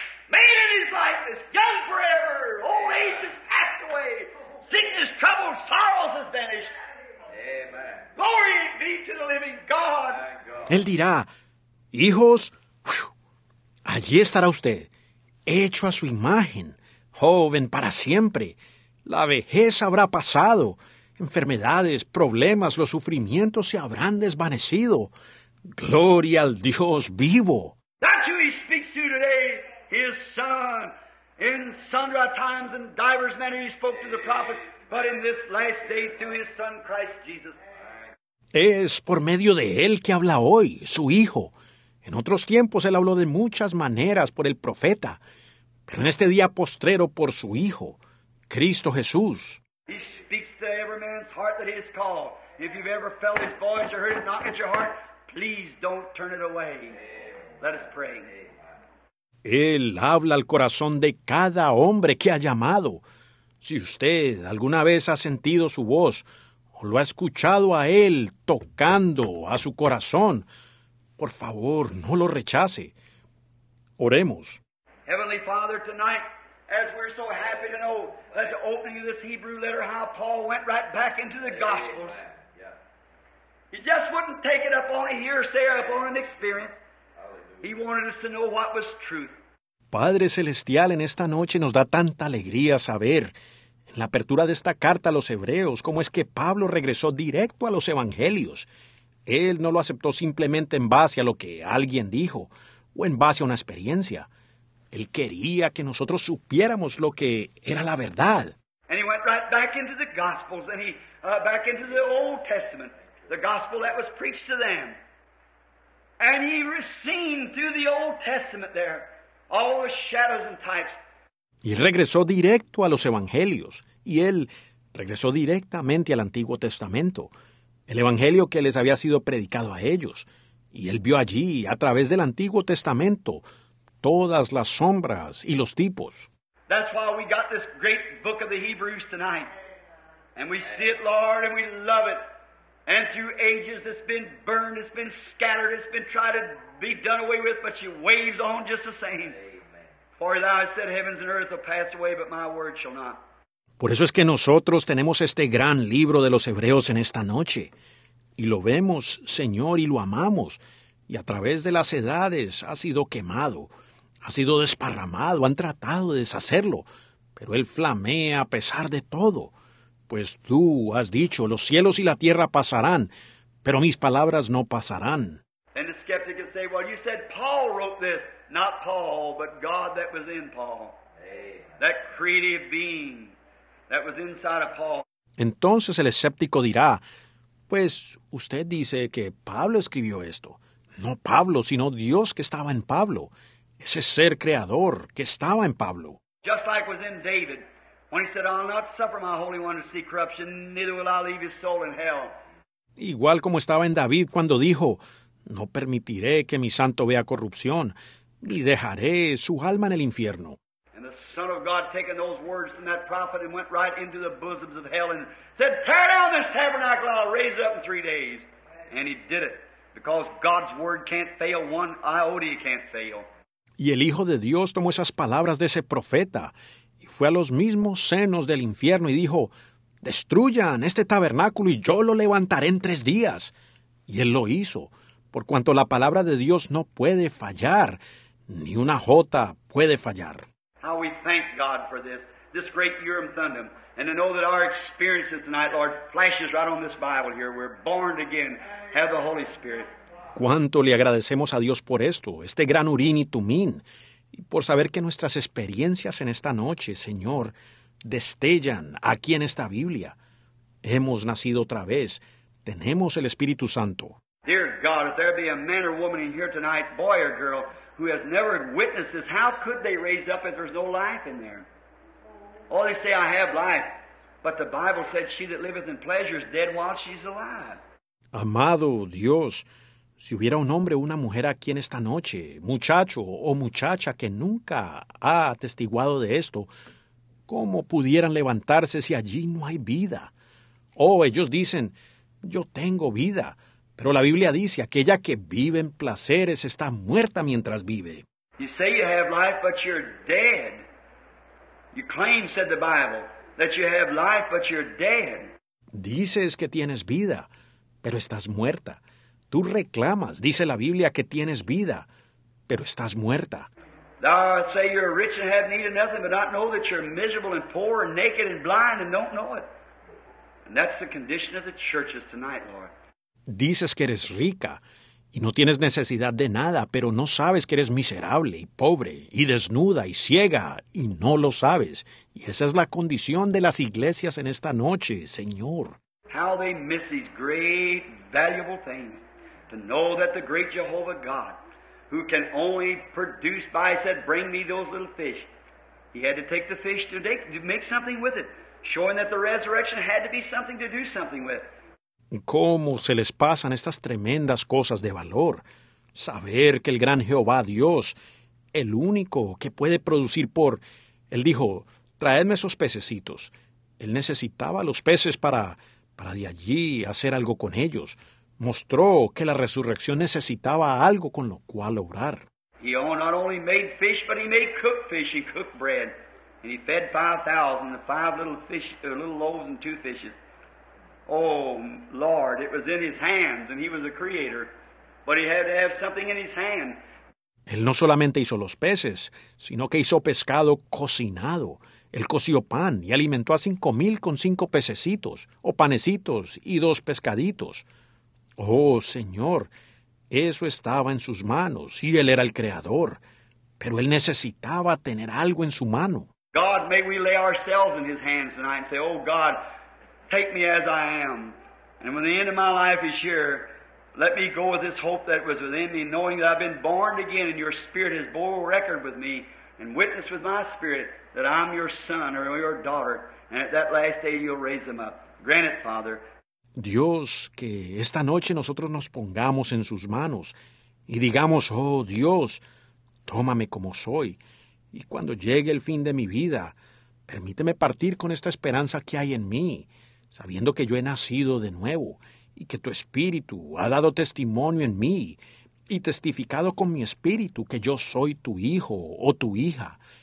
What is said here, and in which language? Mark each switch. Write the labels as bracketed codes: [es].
[en] Made in his likeness, young forever, old age has passed away, sickness, trouble, sorrows has vanished. Amen. Glory be to the living God. [es] Él dirá, hijos, allí estará usted, hecho a su imagen, joven para siempre. La vejez habrá pasado, enfermedades, problemas, los sufrimientos se habrán desvanecido. Gloria al Dios vivo. [en] That's who he speaks to today. His son, in sundry times and divers manner, he spoke to the prophets, but in this last day through his son Christ Jesus. [es] Es por medio de él que habla hoy, su hijo. En otros tiempos él habló de muchas maneras por el profeta, pero en este día postrero por su hijo, Cristo Jesús. [en] He speaks to every man's heart that he has called. If you've ever felt his voice or heard it knock at your heart, please don't turn it away. Let us pray. [es] Él habla al corazón de cada hombre que ha llamado. Si usted alguna vez ha sentido su voz o lo ha escuchado a él tocando a su corazón, por favor, no lo rechace. Oremos. [en] Heavenly Father, tonight, as we're so happy to know that the opening of this Hebrew letter, how Paul went right back into the Gospels. Yeah. He just wouldn't take it up on a hearsay or up on an experience. He wanted us to know what was truth. [es] Padre Celestial, en esta noche nos da tanta alegría saber, en la apertura de esta carta a los hebreos, cómo es que Pablo regresó directo a los evangelios. Él no lo aceptó simplemente en base a lo que alguien dijo o en base a una experiencia. Él quería que nosotros supiéramos lo que era la verdad. [en] And he went right back into the Gospels, and back into the Old Testament, the Gospel that was preached to them. And he received through the Old Testament there all the shadows and types. [es] Y regresó directo a los evangelios. Y él regresó directamente al Antiguo Testamento, el evangelio que les había sido predicado a ellos. Y él vio allí, a través del Antiguo Testamento, todas las sombras y los tipos. [en] That's why we got this great book of the Hebrews tonight. And we see it, Lord, and we love it. And through ages it's been burned, it's been scattered, it's been tried to be done away with, but she waves on just the same. Amen. For thou hast said, heavens and earth will pass away, but my word shall not. [es] Por eso es que nosotros tenemos este gran libro de los Hebreos en esta noche. Y lo vemos, Señor, y lo amamos. Y a través de las edades ha sido quemado, ha sido desparramado, han tratado de deshacerlo. Pero él flamea a pesar de todo. Pues tú has dicho, los cielos y la tierra pasarán, pero mis palabras no pasarán. [en] And the skeptic could say, well, you said Paul wrote this. Not Paul, but God that was in Paul. Amen. That creative being that was inside of Paul. [es] Entonces el escéptico dirá, pues usted dice que Pablo escribió esto. No Pablo, sino Dios que estaba en Pablo. Ese ser creador que estaba en Pablo. [en] Just like was in David. When he said, I'll not suffer my Holy One to see corruption, neither will I leave his soul in hell. [es] Igual como estaba en David cuando dijo, no permitiré que mi santo vea corrupción, ni dejaré su alma en el infierno. [en] And the Son of God taking those words from that prophet and went right into the bosoms of hell and said, tear down this tabernacle, I'll raise it up in 3 days. And he did it, because God's word can't fail, one iota can't fail. [es] Y el Hijo de Dios tomó esas palabras de ese profeta, fue a los mismos senos del infierno y dijo, destruyan este tabernáculo y yo lo levantaré en 3 días. Y él lo hizo, por cuanto la palabra de Dios no puede fallar, ni una jota puede fallar. [en] How we thank God for this great Urim Thummim, and to know that our experiences tonight, Lord, flashes right on this Bible here. We're born again, have the Holy Spirit. [es] Cuánto le agradecemos a Dios por esto, este gran Urim y Tumim. Y por saber que nuestras experiencias en esta noche, Señor, destellan aquí en esta Biblia. Hemos nacido otra vez. Tenemos el Espíritu Santo. [en] Dear God, if there be a man or woman in here tonight, boy or girl, who has never witnessed this, how could they raise up if there's no life in there? Oh, they say, I have life. But the Bible said, she that liveth in pleasure is dead while she's alive. [es] Amado Dios, si hubiera un hombre o una mujer aquí en esta noche, muchacho o muchacha que nunca ha atestiguado de esto, ¿cómo pudieran levantarse si allí no hay vida? Oh, ellos dicen, yo tengo vida, pero la Biblia dice, aquella que vive en placeres está muerta mientras vive. [en] You say you have life, but you're dead. You claim, said the Bible, that you have life, but you're dead. [es] Dices que tienes vida, pero estás muerta. Tú reclamas, dice la Biblia, que tienes vida, pero estás muerta. [en] Thou say you're rich and have need of nothing, but not know that you're miserable and poor and naked and blind and don't know it. And that's the condition of the churches tonight, Lord. [es] Dices que eres rica y no tienes necesidad de nada, pero no sabes que eres miserable y pobre y desnuda y ciega y no lo sabes. Y esa es la condición de las iglesias en esta noche, Señor. [en] How they miss these great, valuable things. To know that the great Jehovah God, who can only produce by, said, bring me those little fish. He had to take the fish to make something with it, showing that the resurrection had to be something to do something with. [es] ¿Cómo se les pasan estas tremendas cosas de valor? Saber que el gran Jehová Dios, el único que puede producir por... Él dijo, traedme esos pececitos. Él necesitaba los peces para de allí hacer algo con ellos. Mostró que la resurrección necesitaba algo con lo cual obrar. [en] He not only made fish, but he made cooked fish and cooked bread. And he fed 5,000, the five little fish, little loaves and two fishes. Oh, Lord, it was in his hands, and he was a creator. But he had to have something in his hand. [es] Él no solamente hizo los peces, sino que hizo pescado cocinado. Él coció pan y alimentó a 5,000 con 5 pececitos, o panecitos y 2 pescaditos. Oh, Señor, eso estaba en sus manos, y Él era el Creador, pero Él necesitaba tener algo en su mano. [en] God, may we lay ourselves in His hands tonight and say, oh, God, take me as I am. And when the end of my life is here, let me go with this hope that was within me, knowing that I've been born again, and Your Spirit has bore record with me, and witnessed with my spirit that I'm Your son or Your daughter, and at that last day You'll raise them up. Grant it, Father. [es] Dios, que esta noche nosotros nos pongamos en sus manos y digamos, oh Dios, tómame como soy Y cuando llegue el fin de mi vida, permíteme partir con esta esperanza que hay en mí, sabiendo que yo he nacido de nuevo y que tu Espíritu ha dado testimonio en mí y testificado con mi Espíritu que yo soy tu hijo o tu hija.